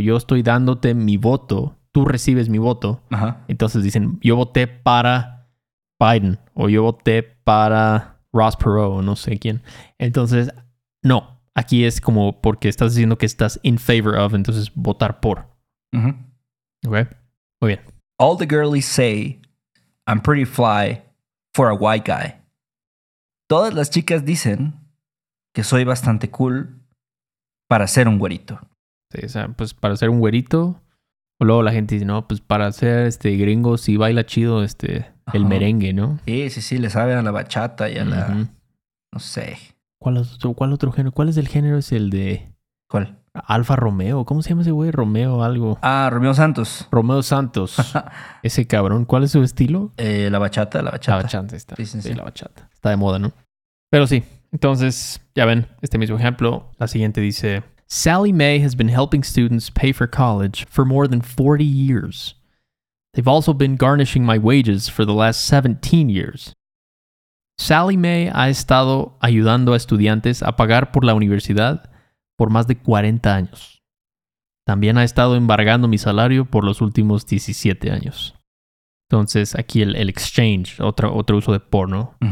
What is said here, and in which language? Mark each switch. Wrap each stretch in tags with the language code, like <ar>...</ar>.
<es>Yo estoy dándote mi voto, tú recibes mi voto. Ajá. Entonces dicen, yo voté para Biden o yo voté para Ross Perot o no sé quién. Entonces, no, aquí es como porque estás diciendo que estás</es> <en>in favor of,</en> <es>entonces votar por. Okay. Muy bien.</es> <en>All the girlies say I'm pretty fly for a white guy.</en> <es>Todas las chicas dicen que soy bastante cool para ser un güerito. Sí, o sea, pues para ser un güerito. O luego la gente dice, no, pues para ser este gringo sí baila chido este el merengue, ¿no? Sí, sí, sí, le saben a la bachata y a la... No sé. ¿Cuál otro género? ¿Cuál es el género? ¿Es el de...? ¿Cuál? Alfa Romeo. ¿Cómo se llama ese güey? Romeo algo. Ah, Romeo Santos. Romeo Santos. Ese cabrón. ¿Cuál es su estilo? La bachata, la bachata. La bachata, está. Sí, sí, sí. La bachata. Está de moda, ¿no? Pero sí. Entonces, ya ven, este mismo ejemplo. La siguiente dice...</es> <en>Sally Mae has been helping students pay for college for more than 40 years. They've also been garnishing my wages for the last 17 years.</en> <es>Sally Mae ha estado ayudando a estudiantes a pagar por la universidad... por más de 40 años. También ha estado embargando mi salario por los últimos 17 años. Entonces, aquí el exchange, otro uso de por, ¿no?</es>